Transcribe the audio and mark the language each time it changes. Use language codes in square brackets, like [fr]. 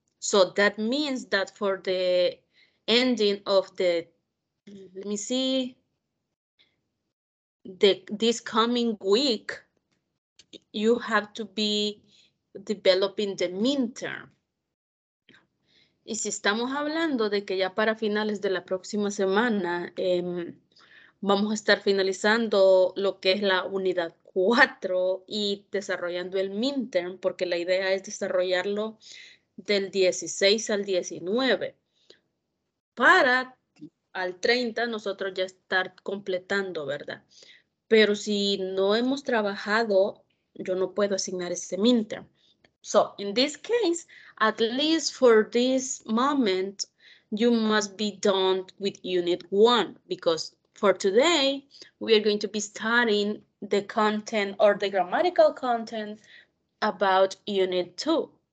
[en] So that means that for the ending of the, let me see, this coming week, you have to be developing the midterm. [es] Y si estamos hablando de que ya para finales de la próxima semana, vamos a estar finalizando lo que es la unidad 4 y desarrollando el midterm, porque la idea es desarrollarlo del 16 al 19. Para al 30 nosotros ya estar completando, ¿verdad? Pero si no hemos trabajado, yo no puedo asignar ese midterm. [en] So, in this case, at least for this moment, you must be done with unit 1, because for today, we are going to be studying the content or the grammatical content about unit 2.